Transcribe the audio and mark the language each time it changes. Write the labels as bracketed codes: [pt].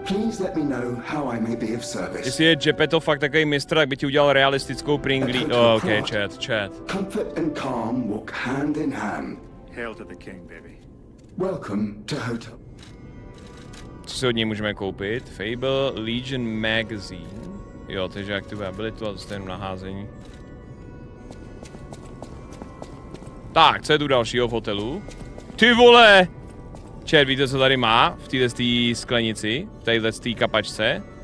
[en] Please let me know how I may be of service. [cs] Jestli je Gepetto fakt takový mistr, tak by ti udělal realistickou pringlí... [en] Oh, okay, chat. Comfort and calm walk hand in hand. Hail to the king, baby. Welcome to hotel. [cs] Co si od něj můžeme koupit? Fable Legion Magazine. Jo, takže aktivuje abilitu a zůstane na házení. Tak, co je tu dalšího v hotelu? Ty vole! Čet, víte, co tady má v téhle sklenici, v téhle kapačce?